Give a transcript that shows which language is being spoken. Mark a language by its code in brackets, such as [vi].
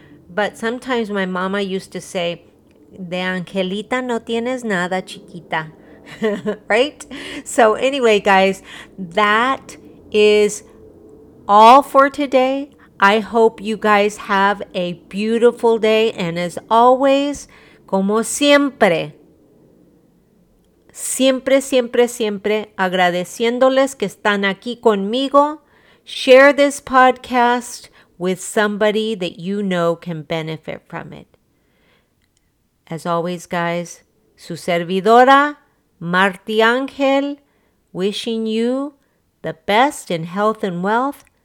[en] But sometimes my mama used to say, [es] de angelita no tienes nada, chiquita. [en] Right? So anyway, guys, that is all for today. I hope you guys have a beautiful day. And as always, [es] como siempre. Siempre, siempre, siempre agradeciéndoles que están aquí conmigo. [en] Share this podcast with somebody that you know can benefit from it. As always, guys, [es] su servidora, [en] Marti Ángel, wishing you the best in health and wealth.